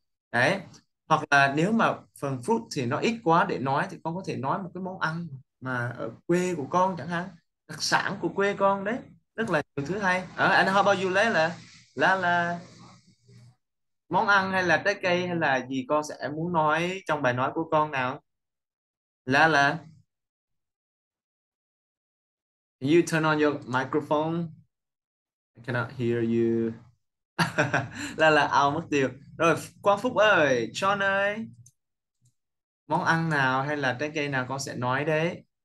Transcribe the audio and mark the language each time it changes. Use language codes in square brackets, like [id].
[vi] Đấy, hoặc là nếu mà phần fruit thì nó ít quá để nói thì con có thể nói một cái món ăn mà ở quê của con chẳng hạn, đặc sản của quê con. Đấy, rất là nhiều thứ hay. [en] And how about you, [vi] là món ăn hay là trái cây hay là gì con sẽ muốn nói trong bài nói của con nào? [en] Là you turn on your microphone, I cannot hear you. [vi] Là ao mất tiêu rồi. Quang Phúc ơi, John ơi, món ăn nào hay là trái cây nào con sẽ nói đấy?